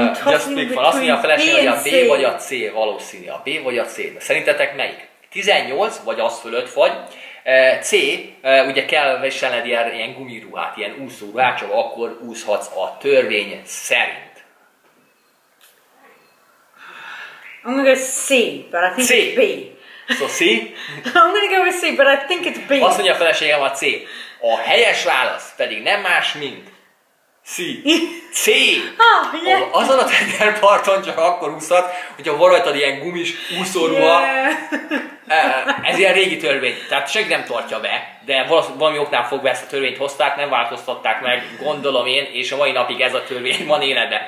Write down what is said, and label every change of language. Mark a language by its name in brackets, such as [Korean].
[English] Just speak for, [Hungarian] azt mondja a feleség, hogy a B vagy a C valószínű, a B vagy a C. Szerintetek melyik? 18 vagy az fölött vagy, C, ugye kell viselned ilyen gumiruhát, ilyen úszóruhát, csak akkor úszhatsz a törvény szerint. [English] I'm gonna go C, but I think it's B. So C? I'm gonna go with C, but I think it's B. [Hungarian] Azt mondja a feleségem a C. A helyes válasz pedig nem más, mint C. C! Azon a tengerparton csak akkor úszhat, hogyha van rajtad ilyen gumis úszóruha. [English] Yeah. [Hungarian] Ez ilyen régi törvény, tehát senki nem tartja be, de valami oknál fogva ezt a törvényt hozták, nem változtatták meg, gondolom én, és a mai napig ez a törvény van életben.